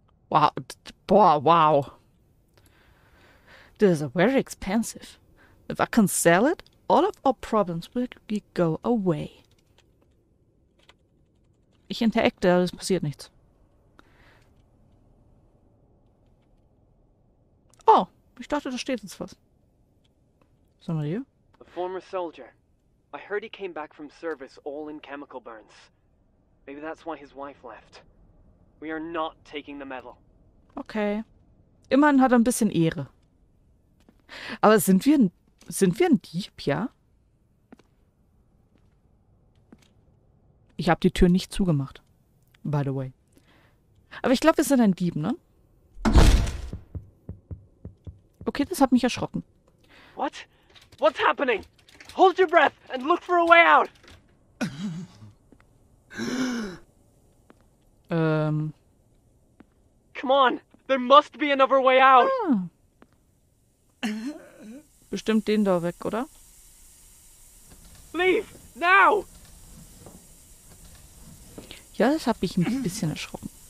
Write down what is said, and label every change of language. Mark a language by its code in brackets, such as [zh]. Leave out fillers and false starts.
[en] Wow. Boah, wow. This is very expensive. If I can sell it, all of our problems will go away. [de] Ich interagiere, es passiert nichts. Oh, ich dachte, da steht jetzt was. Sollen wir hier? [en] A former soldier. I heard he came back from service all in chemical burns. Maybe that's why his wife left. We are not taking the medal. Okay. [de] Immerhin hat er ein bisschen Ehre. Aber sind wir ein Dieb, ja? Ich habe die Tür nicht zugemacht, [en] by the way. [de] Aber ich glaube, wir sind ein Dieb, ne? Okay, das hat mich erschrocken. [en] What? What's happening? Hold your breath and look for a way out. Come on, there must be another way out. [de] Bestimmt den da weg, oder? [en] Leave! Now! [de] Ja, das hat mich ein bisschen erschrocken.